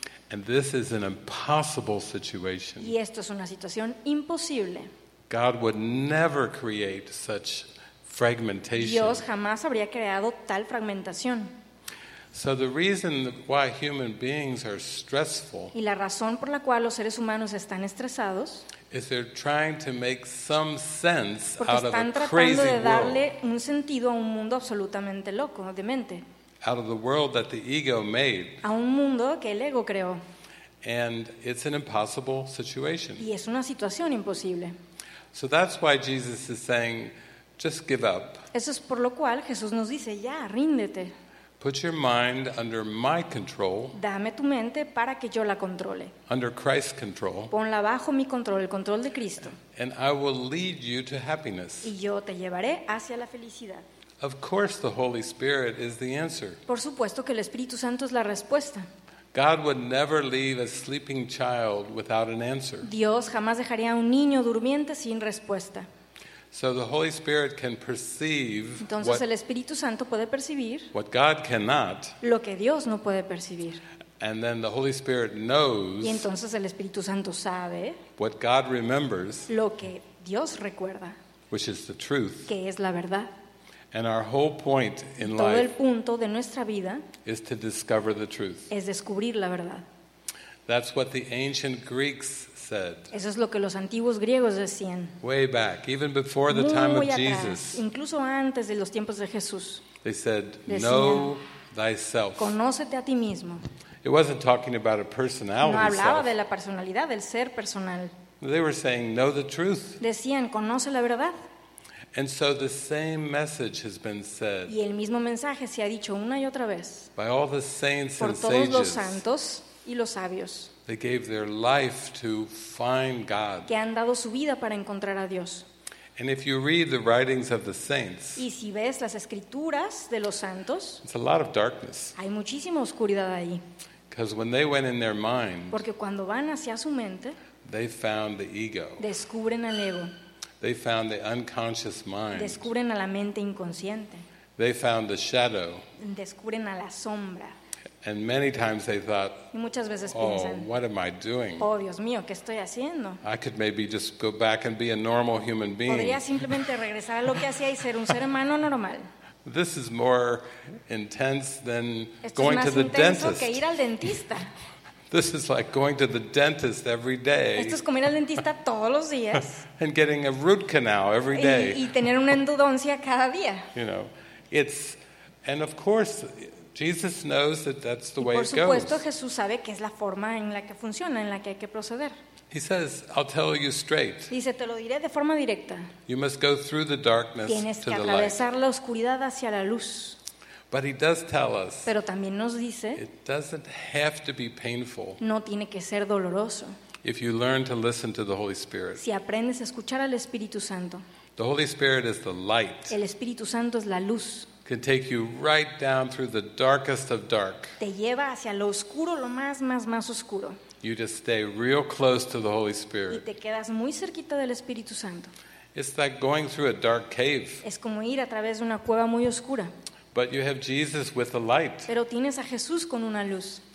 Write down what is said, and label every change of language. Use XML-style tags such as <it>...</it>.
<en>And this is an impossible situation.</en> <es>Y esto es una situación imposible.</es> <en>God would never create such fragmentation.</en> <es>Dios jamás habría creado tal fragmentación.</es> <en>So the reason why human beings are stressful.</en> <es>Y la razón por la cual los seres humanos están estresados.</es> <en>Is they're trying to make some sense out of a crazy world.</en> <es>Porque están tratando de darle un sentido a un mundo absolutamente loco, demente.</es> <en>Out of the world that the ego made.</en> <es>A un mundo que el ego creó.</es> <en>And it's an impossible situation.</en> <es>Y es una situación imposible.</es> <en>So that's why Jesus is saying, just give up.</en> <es>Eso es por lo cual Jesús nos dice, ya, ríndete.</es> <en>Put your mind under my control.</en> <es>Dame tu mente para que yo la controle.</es> <en>Under Christ's control.</en> <es>Ponla bajo mi control, el control de Cristo.</es> <en>And I will lead you to happiness.</en> <es>Y yo te llevaré hacia la felicidad.</es> <en>Of course the Holy Spirit is the answer.</en> <es>Por supuesto que el Espíritu Santo es la respuesta.</es> <en>God would never leave a sleeping child without an answer.</en> <es>Dios jamás dejaría a un niño durmiente sin respuesta.</es> <en>So the Holy Spirit can perceive.</en> <es>Entonces el Espíritu Santo puede percibir.</es> <en>What God cannot.</en> <es>Lo que Dios no puede percibir.</es> <en>And then the Holy Spirit knows.</en> <es>Y entonces el Espíritu Santo sabe.</es> <en>What God remembers.</en> <es>Lo que Dios recuerda.</es> <en>Which is the truth.</en> <es>Que es la verdad.</es> <en>And our whole point in</en> <es>todo</es> <en>life</en> <es>el punto de nuestra vida</es> <en>is to discover the truth.</en> <es>Es descubrir la verdad.</es> <en>That's what the ancient Greeks said.</en> <es>Eso es lo que los antiguos griegos decían.</es> <en>Way back, even before the</en> <es>muy</es> <en>time of</en> <es>atrás,</es> <en>Jesus.</en> <es>Incluso antes de los tiempos de Jesús.</es> <en>They said, know thyself.</en> <es>Conócete a ti mismo.</es> <en>It wasn't talking about a personality.</en> <es>No hablaba</es> <en>self.</en> <es>De la personalidad, del ser personal.</es> <en>They were saying, know the truth.</en> <es>Decían, conoce la verdad.</es> <en>And so the same message has been said.</en> <es>Y el mismo mensaje se ha dicho una y otra vez.</es> <en>By all the saints</en> <es>por</es> <en>and</en> <es>todos</es> <en>sages,</en> <es>los santos y los sabios.</es> <en>They gave their life to find God.</en> <es>Que han dado su vida para encontrar a Dios.</es> <en>And if you read the writings of the saints.</en> <es>Y si ves las escrituras de los santos.</es> <en>It's a lot of darkness.</en> <es>Hay muchísima oscuridad ahí.</es> <en>Because when they went in their mind.</en> <es>Porque cuando van hacia su mente.</es> <en>They found the ego.</en> <es>Descubren al ego.</es> <en>They found the unconscious mind.</en> <es>Descubren a la mente inconsciente.</es> <en>They found the shadow.</en> <es>Descubren a la sombra.</es> <en>And many times they thought,</en> <es>y muchas veces oh, piensan,</es> <en>what am I doing?</en> <es>Oh, Dios mío, ¿qué estoy haciendo?</es> <en>I could maybe just go back and be a normal human being.</en> <es>Podría simplemente regresar a lo que hacía y ser un ser humano normal.</es> <en>This is more intense than</en> <es>esto</es> <en>going</en> <es>es</es> <en>to the dentist.</en> <es>Esto es más intenso que ir al dentista.</es> <en>This is like going to the dentist every day.</en> <es>Esto es como ir al dentista todos los días.</es> <en>And getting a root canal every day.</en> <es>Y tener una endodoncia cada día.</es> <en>You know, it's and of course Jesus knows that that's the way it goes.</en> <es>Por supuesto, Jesús sabe que es la forma en la que funciona, en la que hay que proceder.</es> <en>He says, "I'll tell you straight."</en> <es>Dice, te lo diré de forma directa.</es> <en>You must go through the darkness</en> <es>tienes</es> <en>to the light.</en> <es>Tienes que atravesar la oscuridad hacia la luz.</es> <en>But he does tell us.</en> <es>Pero también nos dice.</es> <en>It doesn't have to be painful.</en> <es>No tiene que ser doloroso.</es> <en>If you learn to listen to the Holy Spirit.</en> <es>Si aprendes a escuchar al Espíritu Santo.</es> <en>The Holy Spirit is the light.</en> <es>El Espíritu Santo es la luz.</es> <en>Can take you right down through the darkest of dark.</en> <es>Te lleva hacia lo oscuro, lo más oscuro.</es> <en>You just stay real close to the Holy Spirit.</en> <es>Y te quedas muy cerquita del Espíritu Santo.</es> <en>It's like going through a dark cave.</en> <es>Es como ir a través de una cueva muy oscura.</es> <en>But you have Jesus with the light.</en> <es>Pero tienes a Jesús con una luz.</es>